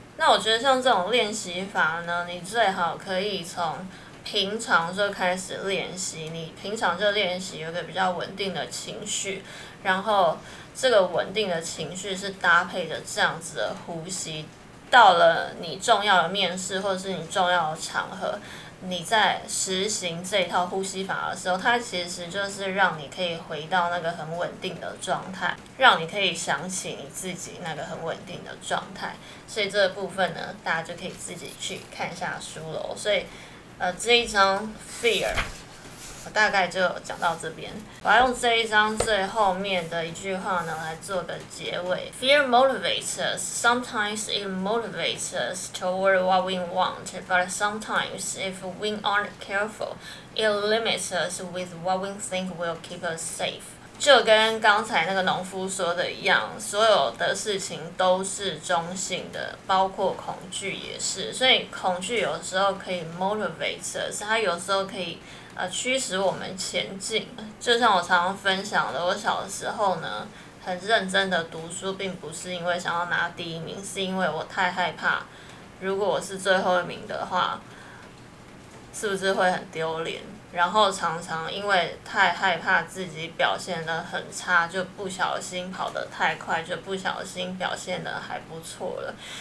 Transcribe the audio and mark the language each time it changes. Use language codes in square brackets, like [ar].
[zh] 那我觉得像这种练习法呢，你最好可以从平常就开始练习，你平常就练习有个比较稳定的情绪，然后这个稳定的情绪是搭配着这样子的呼吸，到了你重要的面试或者是你重要的场合，你在实行这一套呼吸法的时候，它其实就是让你可以回到那个很稳定的状态，让你可以想起你自己那个很稳定的状态。所以这个部分呢，大家就可以自己去看一下书了。所以这一章 fear 我大概就讲到这边，我要用这一章最后面的一句话呢来做个结尾。 [en] Fear motivates us. Sometimes it motivates us toward what we want, but sometimes if we aren't careful, it limits us with what we think will keep us safe. [zh] 就跟刚才那个农夫说的一样，所有的事情都是中性的，包括恐惧也是。所以恐惧有时候可以 motivate us， 它有时候可以驱使我们前进。就像我常常分享的，我小的时候呢很认真的读书，并不是因为想要拿第一名，是因为我太害怕如果我是最后一名的话是不是会很丢脸，然后常常因为太害怕自己表现得很差，就不小心跑得太快，就不小心表现得还不错了。